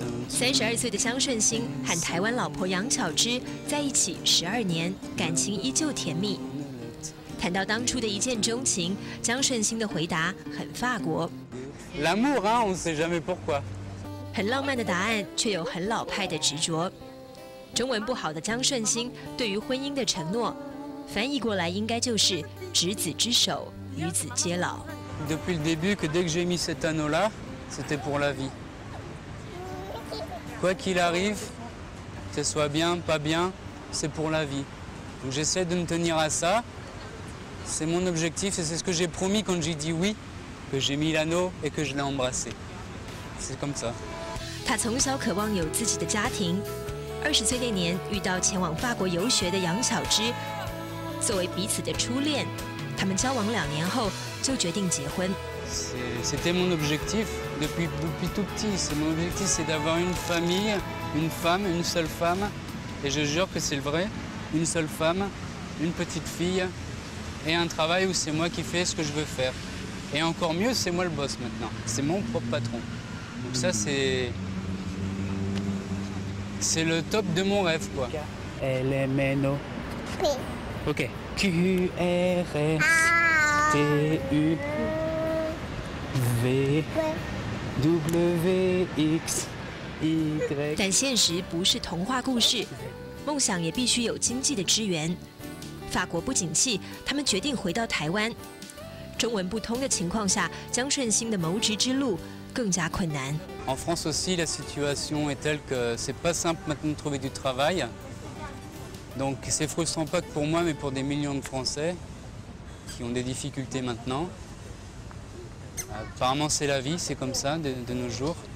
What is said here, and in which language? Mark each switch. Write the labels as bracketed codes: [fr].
[zh] 32岁的江顺兴和台湾老婆杨巧芝在一起12年，感情依旧甜蜜。谈到当初的一见钟情，江顺兴的回答很法国。 [fr] L'amour, hein, on ne sait jamais pourquoi. [zh] 很浪漫的答案，却有很老派的执着。中文不好的江顺兴对于婚姻的承诺，翻译过来应该就是执子之手，与子偕老。 [fr] Depuis le début, que dès que j'ai mis cet anneau-là, c'était pour la vie. Quoi qu'il arrive, que ce soit bien, pas bien, c'est pour la vie. Donc j'essaie de me tenir à ça. C'est mon objectif et c'est ce que j'ai promis quand j'ai dit oui. que j'ai mis l'anneau et que je l'ai embrassé. C'est comme ça. [zh] 他从小渴望有自己的家庭。20岁那年，遇到前往法国游学的杨巧芝，作为彼此的初恋，他们交往2年后就决定结婚。 [fr] C'était mon objectif depuis tout petit. C'est mon objectif, c'est d'avoir une famille, une femme, une seule femme. Et je jure que c'est le vrai. Une seule femme, une petite fille et un travail où c'est moi qui fais ce que je veux faire. Et encore mieux, c'est moi le boss maintenant. C'est mon propre patron. Donc ça, c'est C'est le top de mon rêve, quoi. Elle est méno. OK. Q R S T U V W X Y。 [zh] 但现实不是童话故事，梦想也必须有经济的支援。法国不景气，他们决定回到台湾。中文不通的情况下，江顺兴的谋职之路更加困难。 [fr] En France aussi, la situation est telle que c'est pas simple maintenant de trouver du travail. Donc c'est frustrant pas que pour moi, mais pour des millions de Français qui ont des difficultés maintenant. Apparemment c'est la vie, c'est comme ça de nos jours.